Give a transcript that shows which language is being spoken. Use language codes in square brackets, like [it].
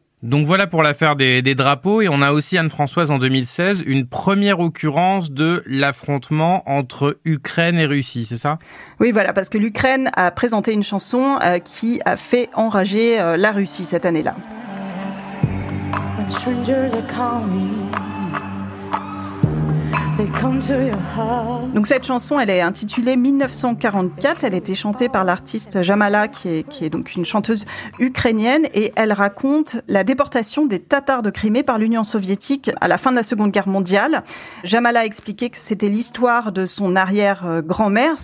[fr] Donc voilà pour l'affaire des drapeaux. Et on a aussi, Anne-Françoise, en 2016, une première occurrence de l'affrontement entre Ukraine et Russie, c'est ça ? Oui, voilà, parce que l'Ukraine a présenté une chanson qui a fait enrager la Russie cette année-là. [en] When strangers are calling, they come to your heart. [fr] Donc cette chanson, elle est intitulée 1944. Elle a été chantée par l'artiste Jamala, qui est donc une chanteuse ukrainienne. Et elle raconte la déportation des Tatars de Crimée par l'Union soviétique à la fin de la Seconde Guerre mondiale. Jamala a expliqué que c'était l'histoire de son arrière-grand-mère.